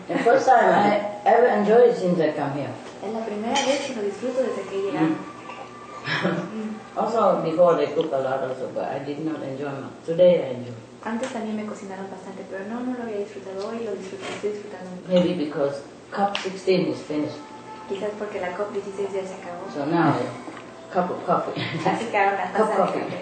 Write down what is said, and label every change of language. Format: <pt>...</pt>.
<en>The first time I ever enjoyed since I come here.</en> <es>Es la primera vez que lo disfruto desde que llegué.</es> <en>Also before they cook a lot also, but I did not enjoy much. Today I enjoy.</en> <es>Antes también me cocinaron bastante, pero no lo había disfrutado. Hoy lo disfruto, estoy disfrutando.</es> <en>Maybe because cup 16 is finished.</en> <es>Quizás porque la cup 16 ya se acabó.</es> <en>So now, cup of coffee.</en> <es>Así que ahora una taza de café.</es>